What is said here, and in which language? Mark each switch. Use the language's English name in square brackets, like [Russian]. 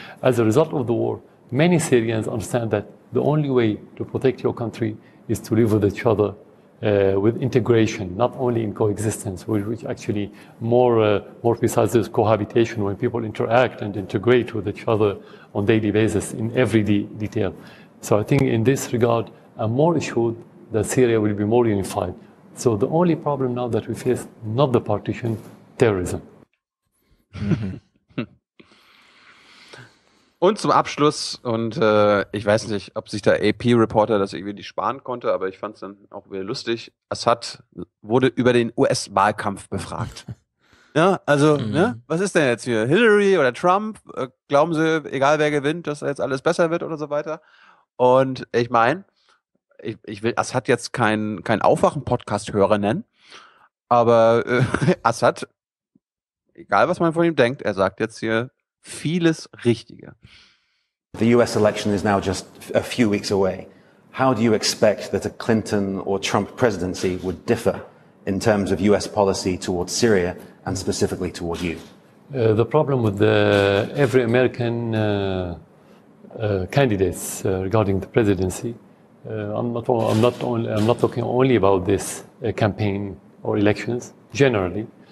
[English] As a result of the war, many Syrians understand that the only way to protect your country is to live with each other with integration, not only in coexistence, which actually more precisely is cohabitation, when people interact and integrate with each other on daily basis in every detail. So I think in this regard, I'm more assured that Syria will be more unified. So the only problem now that we face, not the partition, terrorism. [German] Und zum Abschluss, und ich weiß nicht, ob sich der AP-Reporter das irgendwie nicht sparen konnte, aber ich fand es dann auch wieder lustig, Assad wurde über den US-Wahlkampf befragt. Ja, also, was ist denn jetzt hier, Hillary oder Trump? Glauben Sie, egal wer gewinnt, dass jetzt alles besser wird oder so weiter? Und ich meine, ich will Assad jetzt kein Aufwachen-Podcast-Hörer nennen, aber Assad, egal was man von ihm denkt, er sagt jetzt hier vieles Richtige. [English] The US election is now just a few weeks away. How do you expect that a Clinton or Trump presidency would differ in terms of US policy towards Syria and specifically toward you? The problem with every American candidates regarding the presidency, I'm not talking only about this campaign or elections, generally.